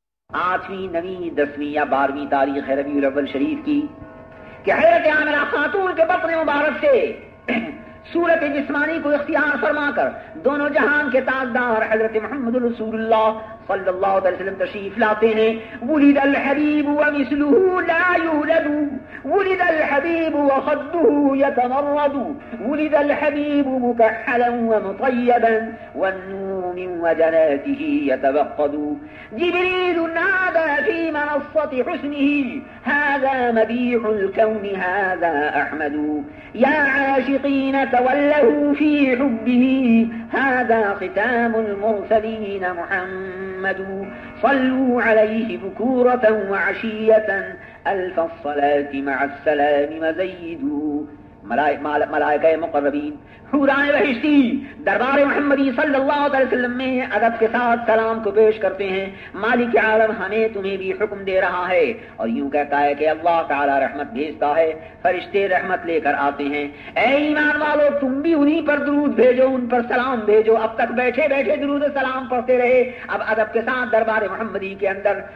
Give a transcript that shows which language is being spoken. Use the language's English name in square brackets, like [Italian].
[Urdu] آٹھویں نویں دسویں یا بارہویں تاریخ ہے ربیع الاول شریف کی کہ حضرت آمنہ خاتون کے بطن مبارک سے صورت جسمانی کو اختیار فرما کر دونوں جہان کے تاجدار حضرت محمد رسول اللہ صلی اللہ علیہ وسلم تشریف لاتے ہیں. [Arabic] ولد الحبیب ومثله لا يولد, ولد الحبیب وخده يتمرد, ولد الحبیب مكحلا ومطيبا والنور من وجناته يتبقد, جبريل نادى في منصة حسنه هذا مبيح الكون هذا احمد, يا عاشقين تولوا في حبه هذا ختام المرسلين محمد, صلوا عليه بكورة وعشية ألف الصلاة مع السلام مزيد. [Urdu] ملائکہ مقربین حورائے بہشتی دربار محمدی صلی اللہ علیہ وسلم میں ادب کے ساتھ سلام کو پیش کرتے ہیں, مالک عالم ہمیں تمہیں بھی حکم دے رہا ہے, اور یوں کہتا ہے کہ اللہ تعالی رحمت بھیجتا ہے, فرشتے رحمت لے کر آتے ہیں, اے ایمان والو تم بھی انہی پر درود بھیجو, ان پر سلام بھیجو, اب تک بیٹھے بیٹھے درود سلام پڑھتے رہے, اب ادب کے ساتھ دربار محمدی کے اندر